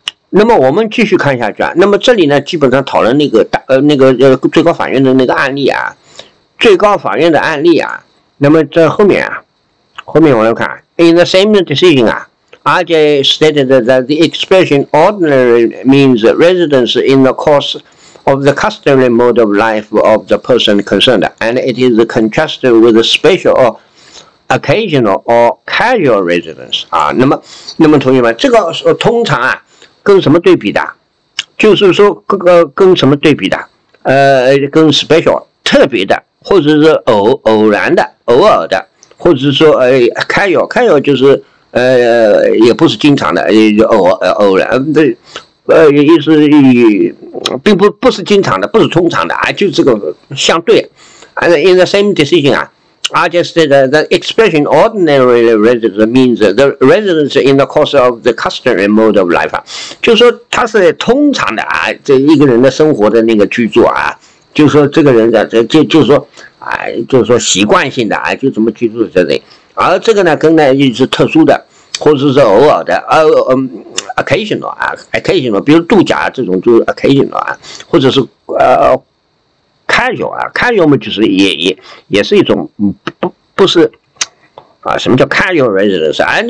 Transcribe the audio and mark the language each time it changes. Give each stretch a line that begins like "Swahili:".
Chinese: 那么我们继续看下去啊。那么这里呢，基本上讨论那个大最高法院的那个案例啊，最高法院的案例啊。那么在后面啊，后面我们看
English: in the same decision 啊 ，RJ stated that the expression ordinary means residence in the course of the customary mode of life of the person concerned, and it is contrasted with a special or occasional or casual residence 啊。
Chinese: 那么同学们，这个通常啊。跟什么对比的？就是说，跟什么对比的？跟 special 特别的，或者是偶然的、偶尔的，或者说casual 就是也不是经常的，偶然的，意思并不是经常的，不是通常的啊，就这个相对。
English: And in the same decision 啊。 I just said that the expression ordinary residence means the residence in the course of the customary mode of life.
Chinese: 就是说他是通常的啊，这一个人的生活的那个居住啊，就是说这个人的就是说习惯性的啊，就这么居住在这里。而这个呢跟呢就是特殊的或者是偶尔的occasional, 比如度假这种就是 occasional 啊，或者是casual 嘛，就是也是一种不是啊，什么叫 casual residence 啊？